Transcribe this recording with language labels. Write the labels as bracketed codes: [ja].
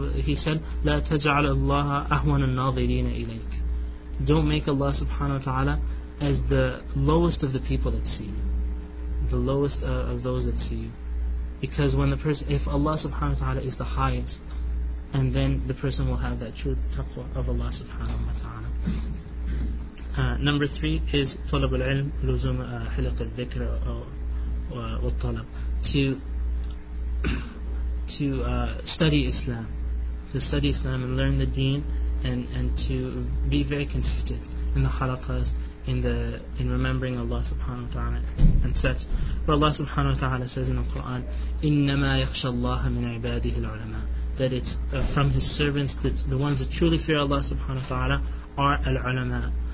[en] He said, [ar] لا تجعل الله أهون الناظرين إليك. [en] Don't make Allah subhanahu wa ta'ala as the lowest of the people that see you. The lowest of those that see you. Because when the person, if Allah subhanahu wa ta'ala is the highest, and then the person will have that true taqwa of Allah subhanahu wa ta'ala. Number three is [ar] طلب العلم لزوم حلق الذكر والطلب. [en] To study Islam. To study Islam and learn the deen, and to be very consistent in the halaqas, in remembering Allah subhanahu wa ta'ala and such. For Allah subhanahu wa ta'ala says in the Quran, [ar] إِنَّمَا يَخْشَى اللَّهَ مِنْ عِبَادِهِ الْعُلَمَاءِ, [en] that it's from his servants, that the ones that truly fear Allah subhanahu wa ta'ala are al-ulama.